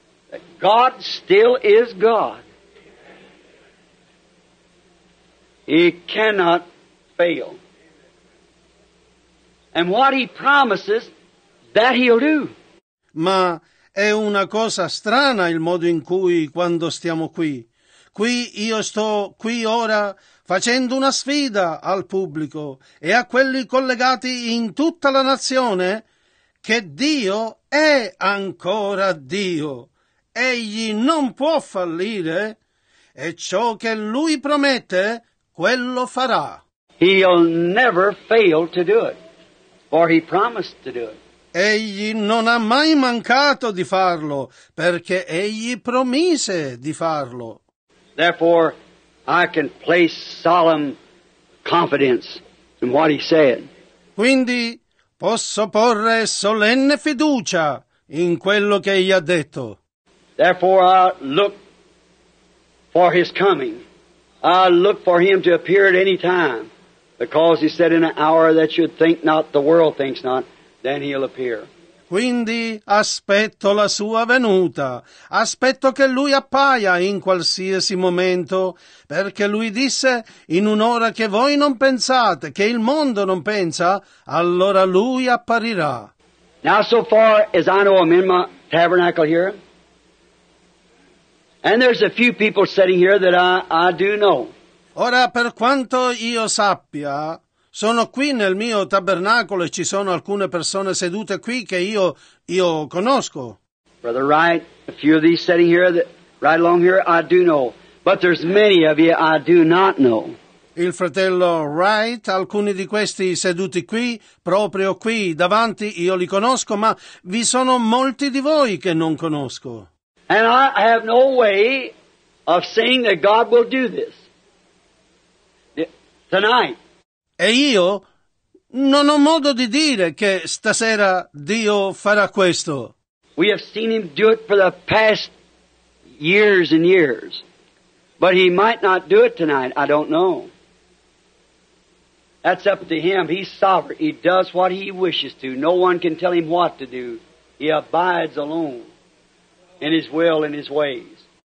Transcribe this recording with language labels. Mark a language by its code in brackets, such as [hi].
[en] That God still is God. He cannot fail. And what He promises, that He'll do. [it] Ma è una cosa strana il modo in cui quando stiamo qui io sto qui ora facendo una sfida al pubblico e a quelli collegati in tutta la nazione che Dio è ancora Dio. Egli non può fallire e ciò che Lui promette, quello farà. [en] He'll never fail to do it, for He promised to do it. [it] Egli non ha mai mancato di farlo, perché egli promise di farlo. [en] Therefore, I can place solemn confidence in what He said. [it] Quindi posso porre solenne fiducia in quello che egli ha detto. [en] Therefore, I look for His coming. I look for Him to appear at any time, because He said, in an hour that you'd think not, the world thinks not. Then He'll appear. [it] Quindi aspetto la sua venuta, aspetto che lui appaia in qualsiasi momento, perché lui disse, in un'ora che voi non pensate, che il mondo non pensa, allora lui apparirà. [en] Now so far as I know I'm in my tabernacle here, and there's a few people sitting here that I do know. [it] Ora, per quanto io sappia, sono qui nel mio tabernacolo e ci sono alcune persone sedute qui che io conosco. [en] Brother Wright, a few of these sitting here, right along here, I do know. But there's many of you I do not know. [it] Il fratello Wright, alcuni di questi seduti qui, proprio qui davanti, io li conosco, ma vi sono molti di voi che non conosco. [en] And I have no way of saying that God will do this. Tonight. [it] E io non ho modo di dire che stasera Dio farà questo. [en] We have seen him do it for the past years and years. But he might not do it tonight, I don't know. That's up to him. He's sovereign. He does what he wishes to. No one can tell him what to do. He abides alone in his will and his ways.